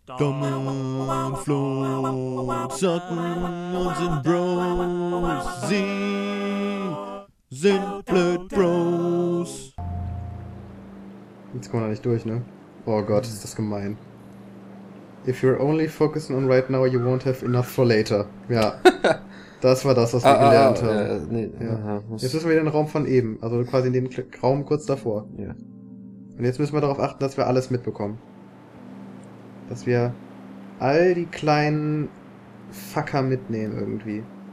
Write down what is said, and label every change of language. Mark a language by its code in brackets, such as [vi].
[de] Dominik, Flo, Zocken und sind Bros. Sie sind blöd Bros. Jetzt kommen wir nicht durch, ne? Oh Gott, ist das gemein. [en] If you're only focusing on right now, you won't have enough for later. [de] Ja, das war das, was wir gelernt haben. Jetzt müssen wir wieder in den Raum von eben, also quasi in den Raum kurz davor. Ja. Und jetzt müssen wir darauf achten, dass wir alles mitbekommen. Dass wir all die kleinen Fucker mitnehmen irgendwie.